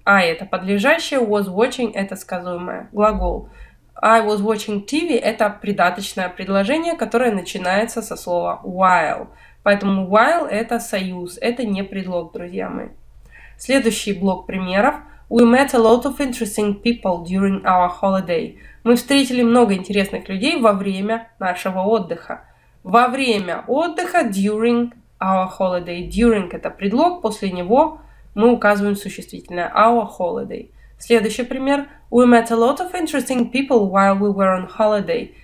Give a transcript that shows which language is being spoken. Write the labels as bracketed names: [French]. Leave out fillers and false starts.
[Russian] I – это подлежащее, was watching – это сказуемое, глагол. [English] I was watching TV [Russian] – это придаточное предложение, которое начинается со слова while. Поэтому while – это союз, это не предлог, друзья мои. Следующий блок примеров. [English] We met a lot of interesting people during our holiday. [Russian] Мы встретили много интересных людей во время нашего отдыха. Во время отдыха, [English] during our holiday. [Russian] During – это предлог, после него мы указываем существительное our holiday. Следующий пример. [English] We met a lot of interesting people while we were on holiday.